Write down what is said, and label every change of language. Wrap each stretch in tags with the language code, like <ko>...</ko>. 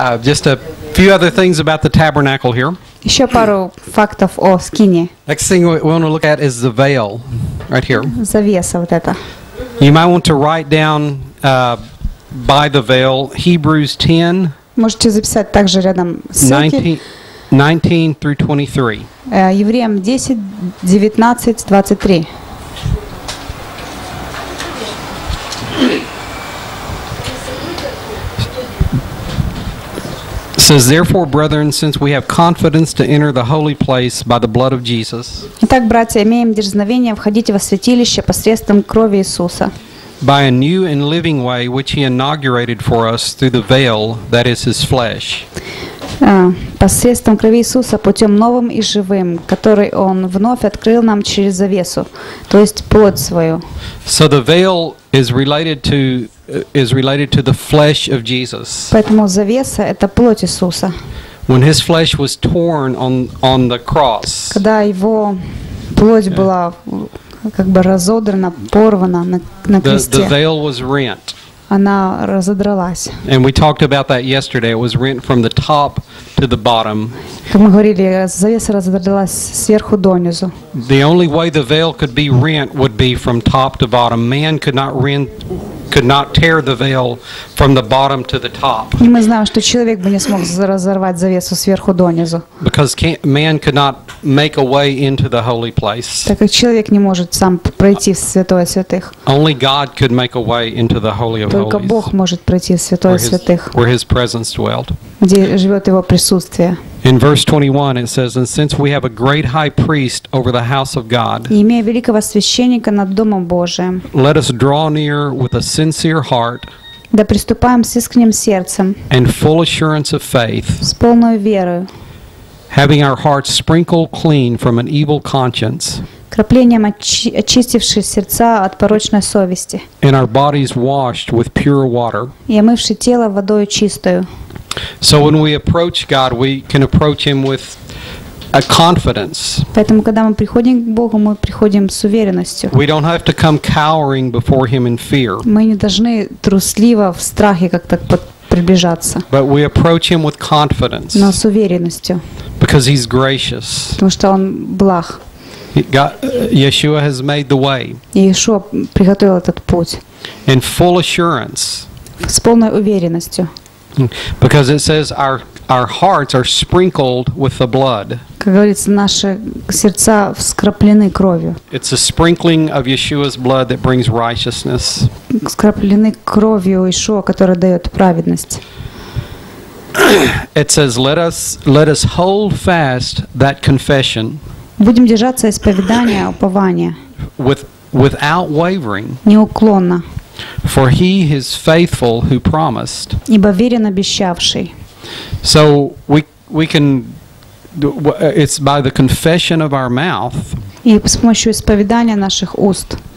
<en>Just a few other things about the tabernacle here.</en> <ru>Еще пару фактов о скине.</ru> <en>Next thing we want to look at is the veil, right here.</en> <ru>Завеса вот эта.</ru> <en>You might want to write down by the veil Hebrews 10.</en> <ru>Можете записать также рядом ссылки.</ru> <en>19 through 23.</en> <ru>Евреям 10:19-23.</ru> <en>Says, therefore, brethren, since we have confidence to enter the holy place by the blood of Jesus.</en> <ru>Итак, братья, имеем дерзновение входить во святилище посредством крови Иисуса.</ru> <en>By a new and living way which He inaugurated for us through the veil, that is His flesh.</en> <ru>Посредством крови Иисуса путем новым и живым, который Он вновь открыл нам через завесу, то есть плод свою.</ru> <en>So the veil is related to the flesh of Jesus.</en> <ru>Поэтому завеса — это плоть Иисуса.</ru> <en>When His flesh was torn on the cross.</en> <ru>Когда Его плоть была как бы разодрана, порвана на кресте.</ru> <en>The veil was rent.</en> <ru>Она разодралась.</ru> <en>And we talked about that yesterday. It was rent from the top to the bottom.</en> <ru>Как мы говорили, завеса разодралась сверху донизу.</ru> <en>The only way the veil could be rent would be from top to bottom. Man could not rent, could not tear the veil from the bottom to the top.</en> <ru>И мы знаем, что человек бы не смог разорвать завесу сверху донизу.</ru> <en>Because man could not make a way into the holy place.</en> <ru>Так как человек не может сам пройти в святое святых.</ru> <en>Only God could make a way into the holy of holies.</en> <ru>Только Бог может пройти в святое святых.</ru> <en>Where His presence dwelt.</en> <ru>Где живет Его присутствие.</ru> <en>In verse 21 it says, and since we have a great high priest over the house of God,</en> <ru>имея великого священника над домом Божиим,</ru> <en>let us draw near with a sincere heart,</en> <ru>да приступаем с искренним сердцем,</ru> <en>and full assurance of faith,</en> <ru>с полной верою,</ru> <en>having our hearts sprinkled clean from an evil conscience,</en> <ru>краплением очистивши сердца от порочной совести,</ru> <en>and our bodies washed with pure water,</en> <ru>и омывши тело водою чистою.</ru> <en>So when we approach God, we can approach Him with a confidence.</en> <ru>Поэтому когда мы приходим к Богу, мы приходим с уверенностью.</ru> <en>We don't have to come cowering before Him in fear.</en> <ru>Мы не должны трусливо в страхе как-то приближаться.</ru> <en>But we approach Him with confidence.</en> <ru>Но с уверенностью.</ru> <en>Because He's gracious.</en> <ru>Потому что Он благ.</ru> <en>Yeshua has made the way.</en> <ru>Иешуа приготовил этот путь.</ru> <en>In full assurance.</en> <ru>С полной уверенностью.</ru> <en>Because it says our hearts are sprinkled with the blood.</en> <ru>Как говорится, наши сердца вскраплены кровью.</ru> <en>It's a sprinkling of Yeshua's blood that brings righteousness.</en> <ru>Вскраплены кровью Иешуа, которая дает праведность.</ru> <en>It says, let us hold fast that confession.</en> <ru>Будем держаться исповедания, упования.</ru> <en>Without wavering.</en> <ru>Неуклонно.</ru> <en>For He is faithful who promised.</en> <ru>Ибо верен обещавший.</ru> <en>So we can, it's by the confession of our mouth.</en> <ru>И с помощью исповедания наших уст.</ru>